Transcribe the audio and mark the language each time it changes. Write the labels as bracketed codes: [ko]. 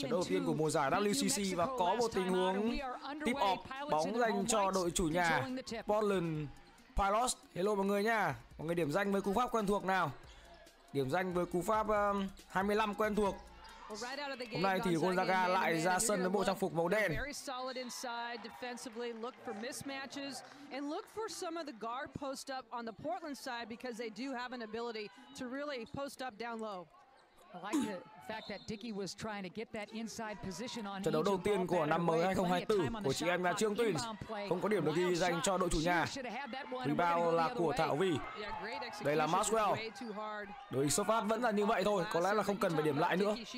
[vi] Trận đầu tiên của mùa giải WCC và có một tình huống tip off bóng dành cho đội chủ nhà Portland Pilots. Hello mọi người nha. Mọi người điểm danh với cú pháp quen thuộc nào. Điểm danh với cú pháp 25 quen thuộc. Hôm nay thì Gonzaga lại ra sân với bộ trang phục màu đen. [en] Very solid inside defensively, look for mismatches and look for some of the guard post up on the Portland side because they do have an ability to really post up down low. I like the fact that Dickey was trying to get that inside position on. [vi] Trận đấu đầu tiên của năm mới 2024 của chị em nhà Trương Tuyển không có điểm được ghi dành cho đội chủ nhà. Rebound là của Thảo Vy. Đây là Maxwell. Đội xuất phát vẫn là như vậy thôi, có lẽ là không cần phải điểm lại nữa.